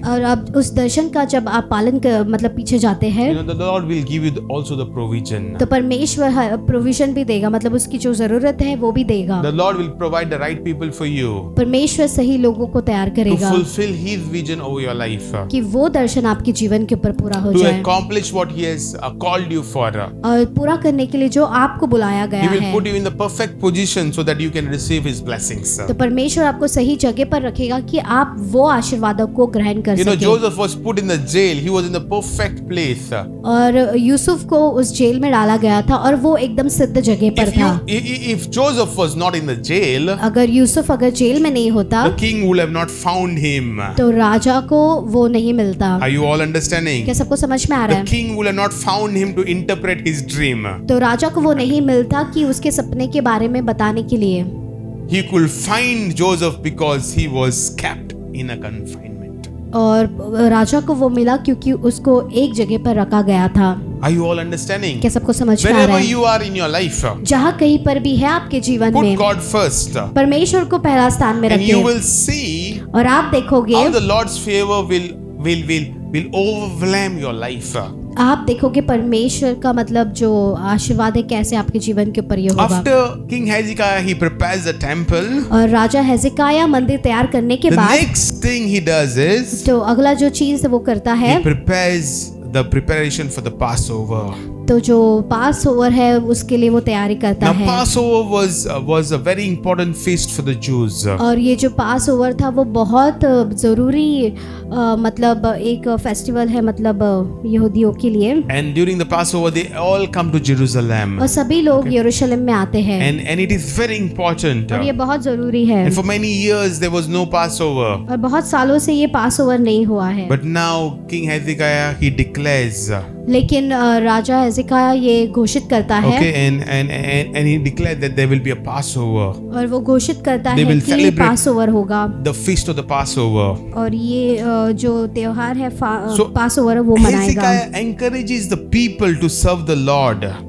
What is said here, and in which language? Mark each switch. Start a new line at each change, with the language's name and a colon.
Hindi: और आप उस दर्शन का जब आप पालन कर मतलब पीछे जाते हैं.
English: You know, the Lord will give you also the provision.
Hindi: तो परमेश्वर provision भी देगा मतलब उसकी जो जरूरत है वो भी देगा.
English: The Lord will provide the right people for you.
Hindi: परमेश्वर सही लोगों को तैयार करेगा.
English: To fulfill His vision over your life.
Hindi: कि वो दर्शन आपके जीवन के ऊपर पूरा हो
English: to
Hindi: जाए.
English: To accomplish what He has called you for.
Hindi: और पूरा करने के लिए जो आपको बुलाया गया है.
English: He will put you in the perfect position so that you can receive His blessings.
Hindi: तो परमेश्वर आपको सही जगह पर रखेगा कि आप वो आशीर्वादों को ग्रहण कर सकें.
English: You know, Joseph was put in the jail. He was in the perfect place.
Hindi: और यूसुफ को उस जेल में डाला गया था और वो एकदम सिद्ध जगह पर था.
English: If Joseph was not in the jail,
Hindi: अगर यूसुफ अगर जेल में नहीं होता,
English: the king would have not found him.
Hindi: तो राजा को वो नहीं मिलता.
English: Are you all understanding?
Hindi: क्या सबको समझ में आ रहा है?
English: The king would have not found him to interpret his dream.
Hindi: तो राजा को वो नहीं मिलता कि उसके सपने के बारे में बताने के लिए.
English: He could find Joseph because he was kept in a confinement.
Hindi: और राजा को वो मिला क्योंकि उसको एक जगह पर रखा गया था.
English: Are you all understanding?
Hindi: क्या सबको समझ में आ रहा है?
English: You are in your life.
Hindi: जहां कहीं पर भी है आपके जीवन
English: put
Hindi: में.
English: Put God first.
Hindi: परमेश्वर को पहला स्थान में रखें.
English: And you will see.
Hindi: और आप देखोगे.
English: How the Lord's favor will overwhelm your life.
Hindi: आप देखोगे परमेश्वर का मतलब जो आशीर्वाद है कैसे आपके जीवन के ऊपर ये होगा।
English: After King Hezekiah, he prepares the temple.
Hindi: और राजा हेजेकिया मंदिर तैयार करने के बाद
English: the next thing he does is
Hindi: तो अगला जो चीज वो करता है
English: he prepares the preparation for the Passover.
Hindi: तो जो पासओवर है उसके लिए वो तैयारी करता है।
English: Passover was a very important feast for the Jews.
Hindi: और ये जो पासओवर था वो बहुत जरूरी मतलब एक फेस्टिवल है मतलब यहूदियों के लिए।
English: And during the Passover they all come to Jerusalem.
Hindi: और सभी लोग यरूशलेम में आते हैं।
English: And it is very important.
Hindi: और ये बहुत जरूरी है।
English: And for many years there was no Passover.
Hindi: और बहुत सालों से ये पासओवर नहीं हुआ है।
English: But now king Hezekiah he declares.
Hindi: लेकिन राजा हेजेकिया ये घोषित करता है।
English: Okay, and he declared that there will be a Passover.
Hindi: और वो घोषित करता है कि ये पासओवर होगा।
English: The feast of the Passover.
Hindi: और ये जो त्योहार है पासओवर वो मनाएगा।
English: Hezekiah encourages the people to serve the Lord.